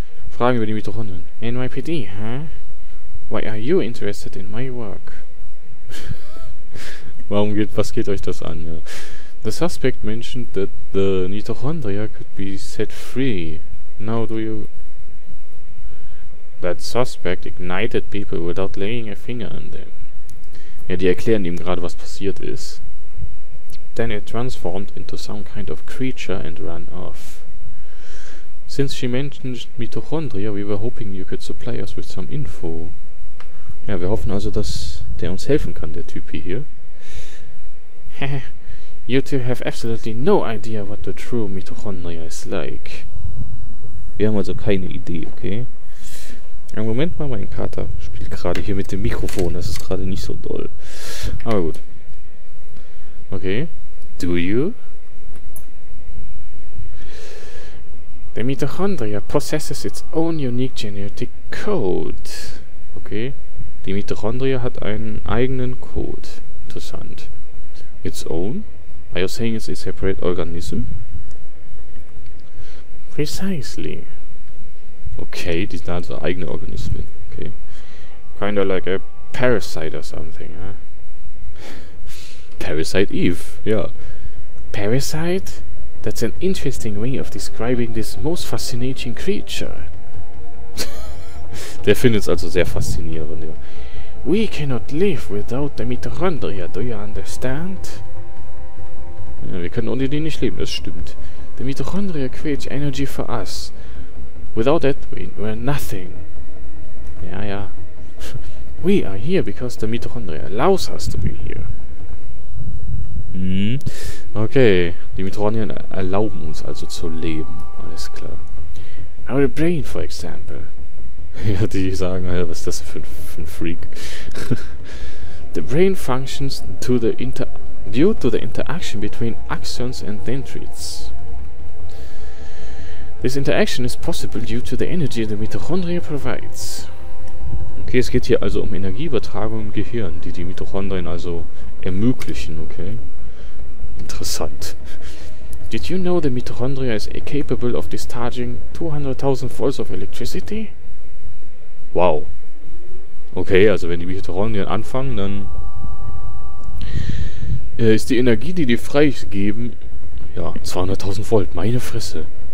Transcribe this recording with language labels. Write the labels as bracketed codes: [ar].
[de] Fragen über die Mitochondrien. [en] NYPD, huh? Why are you interested in my work? [de] Was geht euch das an? Ja. [en] The suspect mentioned that the mitochondria could be set free. Now do you... That suspect ignited people without laying a finger on them. [de] Ja, die erklären ihm gerade, was passiert ist. [en] Then it transformed into some kind of creature and ran off. Since she mentioned mitochondria, we were hoping you could supply us with some info. [de] Ja, wir hoffen also, dass der uns helfen kann, der Typ hier. [en] You two have absolutely no idea what the true mitochondria is like. [de] Wir haben also keine Idee, okay? Ein Moment mal, mein Kater spielt gerade hier mit dem Mikrofon, das ist gerade nicht so doll. Aber gut. Okay. [en] Do you? The mitochondria possesses its own unique genetic code. Okay. [de] Die Mitochondria hat einen eigenen Code. Interessant. [en] Its own? Are you saying it's a separate organism? [de] Precisely. Okay, die sind also eigene Organismen. Okay. [en] Kind of like a parasite or something, huh? Parasite Eve, ja. Parasite? That's an interesting way of describing this most fascinating creature. [de] Der findet es also sehr faszinierend, ja. [en] We cannot live without the mitochondria, do you understand? [de] Ja, wir können ohne die nicht leben, das stimmt. [en] The mitochondria creates energy for us. Without it, we're nothing. Ja, ja. We are here because the mitochondria allows us to be here. [de] Okay, die Mitochondrien erlauben uns also zu leben, alles klar. [en] Our brain, for example. [de] Ja, die sagen, was ist das für ein Freak? [en] The brain functions due to the interaction between axons and dendrites. This interaction is possible due to the energy the mitochondria provides. [de] Okay, es geht hier also um Energieübertragung im Gehirn, die Mitochondrien also ermöglichen, okay? Interessant. [en] Did you know the mitochondria is capable of discharging 200,000 volts of electricity? Wow. [de] Okay, also wenn die Mitochondrien anfangen, dann ist die Energie, die freigeben, ja, 200.000 Volt, meine Fresse.